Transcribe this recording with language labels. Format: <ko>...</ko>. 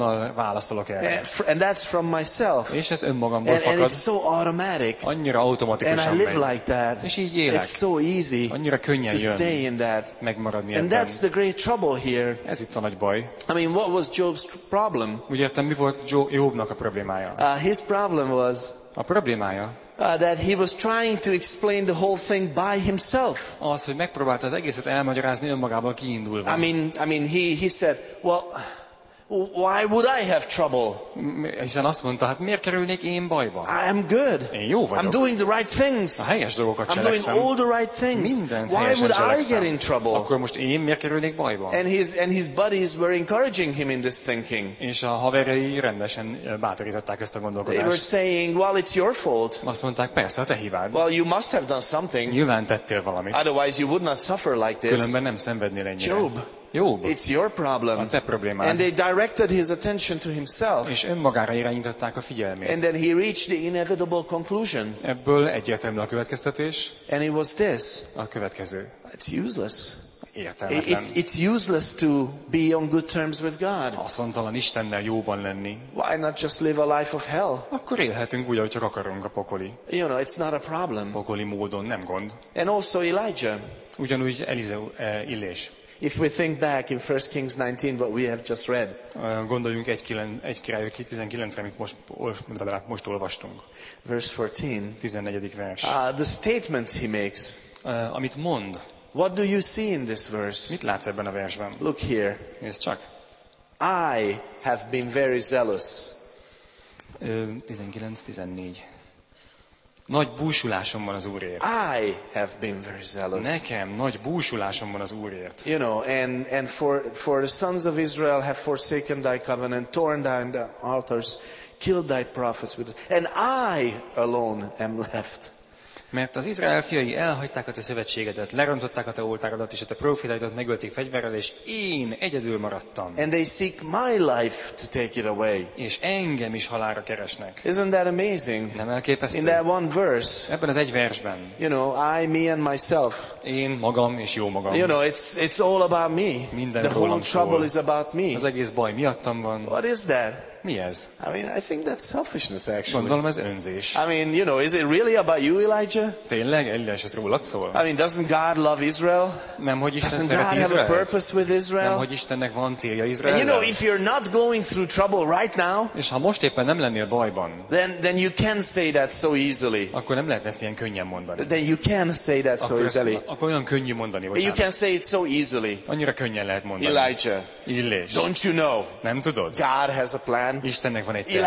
<hu>Azonnal válaszolok erre.</hu> <en>And that's from myself.</en> <hu>És ez önmagamból fakad.</hu> <en>And it's so automatic.</en> <hu>Annyira automatikusan megy.</hu> <en>And I live like that.</en> <hu>És így élek.</hu> <en>It's so easy.</en> <hu>Annyira könnyen jön.</hu> <en>To stay in that.</en> <hu>Megmaradni ebben.</hu> <en>And that's the great trouble here.</en> <hu>Ez itt a nagy baj.</hu> <en>I mean, what was Job's problem?</en> <hu>Úgy értem, mi volt Jobnak a problémája?</hu> <en>His problem was,</en> <hu>a problémája,</hu> <en>That he was trying to explain the whole thing by himself.</en> <hu>Az, hogy megpróbálta az egészet elmagyarázni önmagából kiindulva.</hu> <en>I mean, he said, well, Why would I have trouble?</en> <hu>Hiszen azt mondta, hát miért kerülnék én bajba?</hu> <en>I am good.</en> <hu>Én jó vagyok.</hu> <en>I'm doing the right things.</en> <hu>A helyes dolgokat cselekszem.</hu> <en>I'm doing all the right things.</en> <hu>Mindent</hu> <en>Why</en> <hu>helyesen</hu> <en>would</en> <hu>cselekszem.</hu> <en>I get in trouble?</en> <hu>Akkor most én miért kerülnék bajba?</hu> <en>And his buddies were encouraging him in this thinking.</en> <hu>És a haverjai rendesen bátorították ezt a gondolkodást.</hu> <en>They were saying, well, it's your fault.</en> <hu>Azt mondták, persze, a te hibád.</hu> <en>Well, you must have done something.</en> <hu>Nyilván tettél valamit.</hu> <en>Otherwise you would not suffer like this.</en> <hu>Különben nem szenvednél ennyire.</hu> <en>Job.</en> <hu>Job.</hu> <en>It's your problem.</en> <hu>A te problémád.</hu> <en>And they directed his attention to himself.</en> <hu>És önmagára irányították a figyelmét.</hu> <en>And then he reached the inevitable conclusion.</en> <hu>Ebből egyértelmű a következtetés.</hu> <en>And it was this.</en> <hu>A következő.</hu> <en>It's useless.</en> <hu>Értelmetlen.</hu> <en>It's useless to be on good terms with God.</en> <hu>Haszontalan Istennel jóban lenni.</hu> <en>Why not just live a life of hell?</en> <hu>Akkor élhetünk úgy, ahogy csak akarunk, a pokoli.</hu> <en>You know, it's not a problem.</en> <hu>Pokoli módon nem gond.</hu> <en>And also Elijah.</en> <hu>Ugyanúgy Elizeus Illés.</hu> <en>If we think back in 1 Kings 19 what we have just read.</en> <hu>Gondoljunk egy királyok 19-re, amit most olvastunk.</hu> <en>Verse 14,</en> <hu>14. vers.</hu> <en>The statements he makes.</en> <hu>Amit mond.</hu> <en>What do you see in this verse?</en> <hu>Mit látsz ebben a versben?</hu> <en>Look here.</en> <hu>Nézd csak.</hu> <en>I have been very zealous.</en> <hu>19-14. Nagy búsulásom van az Úrért.</hu> <en>I have been very zealous.</en> <hu>Nekem nagy búsulásom van az Úrért.</hu> <en>You know, and for the sons of Israel have forsaken thy covenant, torn down the altars, killed thy prophets with, and I alone am left.</en> <hu>Mert az Izrael fiai elhagyták a te szövetségedet, lerontották a te oltárodat és a te prófétáidat, megölték fegyverrel, és én egyedül maradtam.</hu> <en>And they seek my life to take it away.</en> <hu>És engem is halálra keresnek.</hu> <en>Isn't that amazing?</en> <hu>Nem elképesztő?</hu> <en>In that one verse.</en> <hu>Ebben az egy versben.</hu> <en>You know, I, me and myself.</en> <hu>Én magam és jó magam.</hu> <en>You know, it's all about me.</en> <hu>Minden</hu> <en>the whole trouble</en> <hu>szól.</hu> <en>Is about me.</en> <hu>Az egész baj miattam van.</hu> <en>What is that?</en> <hu>Mi ez?</hu> <en>I mean, I think that's selfishness, actually.</en> <hu>Gondolom, ez önzés.</hu> <en>I mean, you know, is it really about you, Elijah?</en> <hu>Tényleg, Elijah, ez rólad szól?</hu> <en>I mean, doesn't God love Israel?</en> <hu>Nem, hogy Isten</hu> <en>doesn't</en> <hu>szereti</hu> <en>God</en> <hu>Izraelt?</hu> <en>Have a purpose with Israel?</en> <hu>Nem, hogy Istennek van célja Izraellel?</hu> <en>You know, if you're not going through trouble right now,</en> <hu>és ha most éppen nem lennél bajban,</hu> <en>then you can say that so easily.</en> <hu>Akkor nem lehet ezt ilyen könnyen mondani.</hu> <en>Then you can say that so easily.</en> <hu>Akkor olyan könnyű mondani, bocsánat.</hu> <en>You can say it so easily.</en> <hu>Annyira könnyen lehet mondani.</hu> <en>Elijah.</en> <hu>Illés.</hu> <en>Don't you know?</en> <hu>Nem tudod?</hu> <en>God has a plan.</en> <hu>Istennek van egy terve.</hu>